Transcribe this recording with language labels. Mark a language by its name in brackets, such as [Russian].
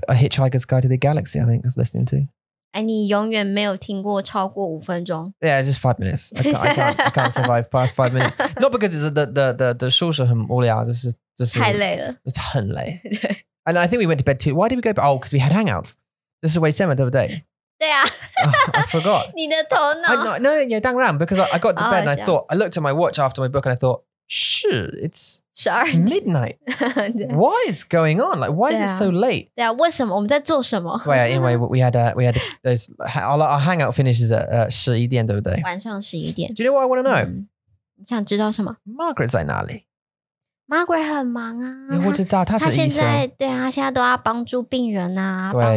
[English] A Hitchhiker's Guide to the Galaxy, I think, I was listening to. [Chinese] And 你永远没有听过超过五分钟? [English] Yeah, it's just 5 minutes. I can't survive past 5 minutes. Not because it's the [Chinese] 书是很无聊, [English] just [Chinese] 太累了。 [English] It's [Chinese] 很累. [English] And I think we went to bed too. Why did we go? Oh, because we had hangouts. This is way too much the other day. [Chinese] 对啊。 [English] Oh, I forgot. [Chinese] 你的头脑。 [English] No, no, yeah, 当然, because I got to bed and I thought, I looked at my watch after my book and I thought, it's midnight. What is going on? Like, why is it so late? [Chinese] Yeah, 为什么我们在做什么? [English] Well, anyway, we had those. Our hangout finishes at 11点, [Chinese] 对不对? 晚上11点. [English] Do you know what I want to know? [Chinese] 你想知道什么? Margaret在哪里? Margaret很忙啊. 我知道她是医生。她现在对啊，现在都要帮助病人啊，